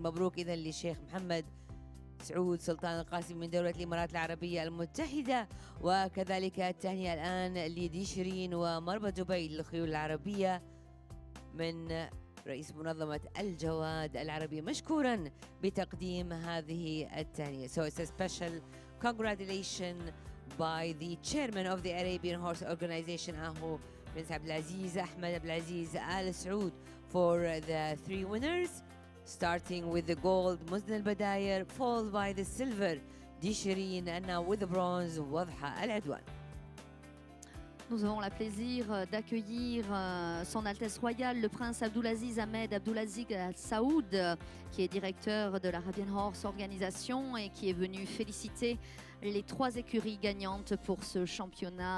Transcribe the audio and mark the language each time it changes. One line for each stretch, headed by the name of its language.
Arabic: مبروك إذا للشيخ محمد سعود سلطان القاسم من دولة الإمارات العربية المتحدة. وكذلك التهنئة الآن لديشرين ومربى دبي للخيول العربية من رئيس منظمة الجواد العربي. مشكورا بتقديم هذه التهنية.
English: So it's a special congratulation by the chairman of the Arabian Horse Organization, Ahu Prince Abdulaziz Ahmed Abdulaziz Al Saud, for the three winners, starting with the gold, Mounz Al-Bidayer, followed by the silver, ديشيرين أنا with the bronze واضحة العدوان.
French: Nous avons le plaisir d'accueillir son Altesse Royale, le prince Abdulaziz Ahmed Abdulaziz Al Saoud, qui est directeur de l'Arabian Horse Organisation et qui est venu féliciter les trois écuries gagnantes pour ce championnat.